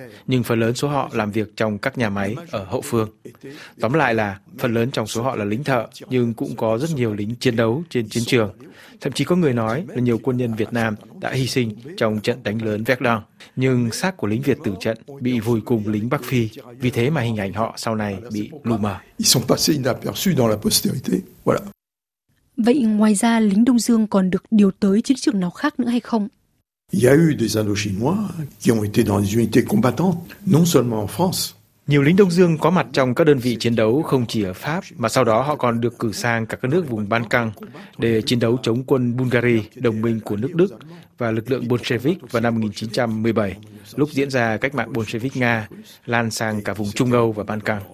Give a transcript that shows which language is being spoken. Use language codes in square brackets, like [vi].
[vi] Nhưng phần lớn số họ làm việc trong các nhà máy ở hậu phương. Tóm lại là phần lớn trong số họ là lính thợ, nhưng cũng có rất nhiều lính chiến đấu trên chiến trường. Thậm chí có người nói là nhiều quân nhân Việt Nam đã hy sinh trong trận đánh lớn Verdun. Nhưng xác của lính Việt tử trận bị vùi cùng lính Bắc Phi, vì thế mà hình ảnh họ sau này bị lu mờ. [fr] Ils sont passés inaperçus dans la postérité. Voilà. [vi] Vậy ngoài ra lính Đông Dương còn được điều tới chiến trường nào khác nữa hay không? [fr] Il y a eu des Indochinois qui ont été dans les unités combattantes, non seulement en France. [vi] Nhiều lính Đông Dương có mặt trong các đơn vị chiến đấu không chỉ ở Pháp, mà sau đó họ còn được cử sang cả các nước vùng Ban Căng để chiến đấu chống quân Bulgari, đồng minh của nước Đức, và lực lượng Bolshevik vào năm 1917, lúc diễn ra cách mạng Bolshevik Nga, lan sang cả vùng Trung Âu và Ban Căng.